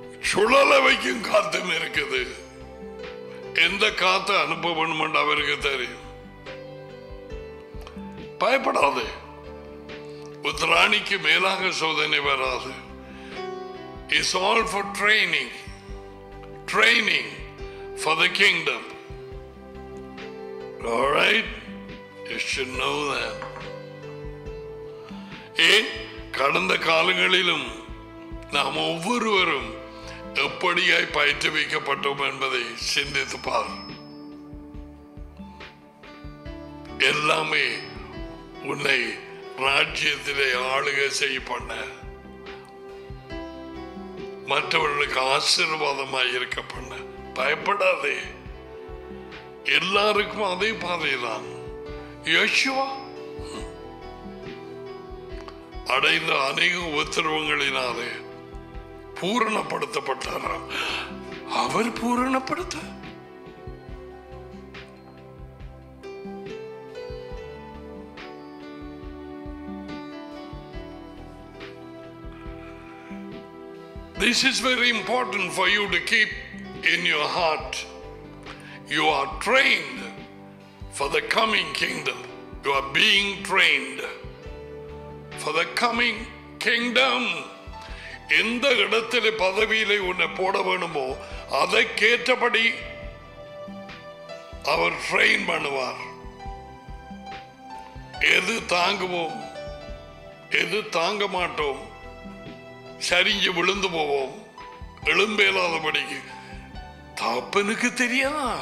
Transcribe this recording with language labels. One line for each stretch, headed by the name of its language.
Tamil: சுழல வைக்கும் காத்து இருக்குது. எந்த காத்து அனுப்ப வேணுமெண்டு அவருக்கு தெரியும். பயப்படாது, உத்ராணிக்கு மேலாக சோதனை வராது.
English: It's all for training. Training for the kingdom. All right? You should know that.
Tamil: கடந்த காலங்களிலும் நாம் ஒவ்வொருவரும் எப்படியாய் பயிற்றுவிக்கப்பட்டோம் என்பதை சிந்தித்து பார். எல்லாமே உன்னை ராஜ்யத்திலே ஆளுக செய்ய பண்ண, மற்றவர்களுக்கு ஆசீர்வாதமாய் இருக்க பண்ண. பயப்படாதே, எல்லாருக்கும் அதே பாதைதான். யோசுவா அடைந்த அநேக உபத்திரவங்களினாலே பூரணப்படுத்தப்பட்டாராம். அவர் பூரணப்படுத்த
English: This is very important for you to keep in your heart. You are trained for the coming kingdom. You are being trained for the coming kingdom.
Tamil: எந்த இடத்துல பதவியிலே உன்னை போட வேணுமோ அதை கேட்டபடி அவர் ட்ரெயின் பண்ணுவார். எது தாங்குவோம், எது தாங்க மாட்டோம், சரிஞ்சு விழுந்து போவோம், எழும்பேலாதபடிக்கு தாப்பனுக்கு தெரியா.